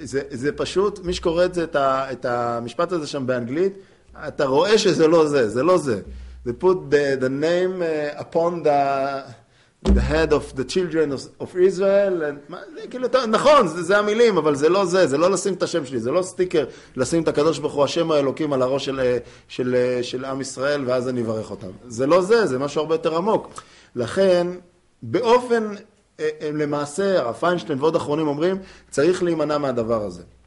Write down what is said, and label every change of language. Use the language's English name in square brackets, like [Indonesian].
[Hebrew] זה פשוט, מי שקורא את זה, את המשפט הזה שם באנגלית, אתה רואה שזה לא זה, זה לא זה. [English] They put the name upon the head of the children of Israel. [Hebrew] נכון, זה המילים, אבל זה לא זה, זה לא לשים את השם שלי, זה לא סטיקר לשים את הקדוש ברוך הוא השם האלוקים על הראש של עם ישראל, ואז אני אברך אותם. זה לא זה, זה משהו הרבה יותר עמוק. לכן, באופן למעשה, הרב פיינשטיין ועוד אחרונים אומרים, צריך להימנע מהדבר הזה.